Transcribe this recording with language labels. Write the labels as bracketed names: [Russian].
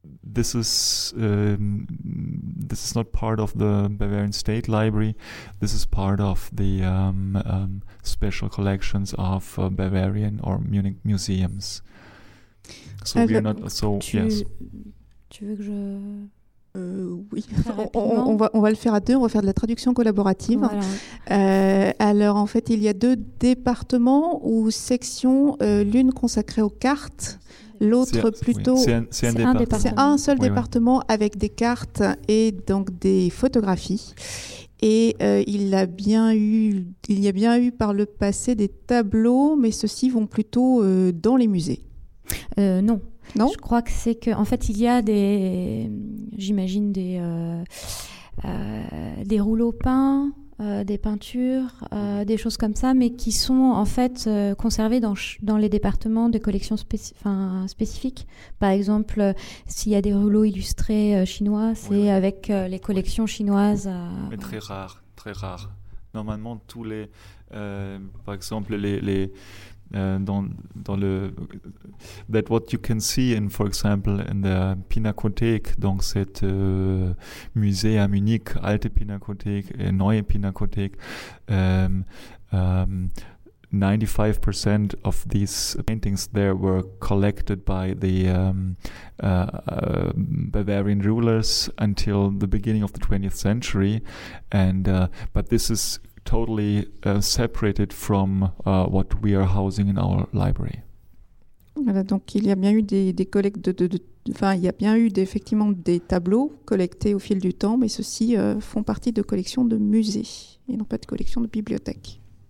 [English] This is not part of the Bavarian State Library. This is part of the special collections of Bavarian or Munich museums. So we are not so yes. [French] Tu veux que je Oui, on va le faire à deux, on va faire de la traduction collaborative. Voilà. Alors en fait, il y a deux départements ou sections, l'une consacrée aux cartes, L'autre, c'est, plutôt, oui. c'est un département. C'est un seul département avec des cartes et donc des photographies. Et il y a bien eu par le passé des tableaux, mais ceux-ci vont plutôt dans les musées. Non. Je crois que c'est que, en fait, il y a des, j'imagine des rouleaux peints, des peintures, des choses comme ça, mais qui sont en fait conservées dans les départements de collections spécifiques. Par exemple, s'il y a des rouleaux illustrés chinois, c'est avec les collections chinoises. Mais très rare, très rare. Normalement, tous les, par exemple, les dans le [English] that what you can see in, for example, in the Pinakothek, [French] donc cette musée à Munich, alte Pinakothek et neue Pinakothek, [English] 95% of these paintings there were collected by the Bavarian rulers until the beginning of the 20th century, and but this is totally separated from what we are housing in our library. [French] Voilà, donc il y a bien eu des collectes il y a bien eu effectivement des tableaux collectés au fil du temps, mais ceux-ci font partie de collections de musées et non pas de collections de bibliothèques.